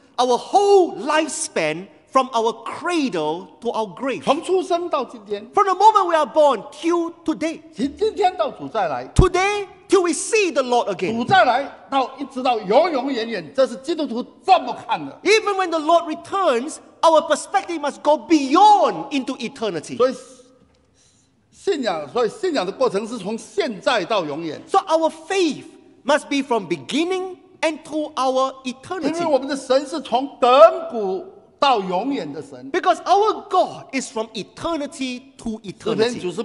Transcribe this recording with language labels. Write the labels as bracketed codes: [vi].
[en] Our whole lifespan from our cradle to our grave. [zh] 从出生到今天, [en] from the moment we are born till today. [zh] 今天到主再来, [en] today, till we see the Lord again. [zh] 主再来到一直到永永远远, [en] even when the Lord returns, our perspective must go beyond into eternity. [zh] 所以信仰的过程是从现在到永远。 [en] So our faith must be from beginning and to our eternity. [zh] 因为我们的神是从亘古, [en] because our God is from eternity to eternity.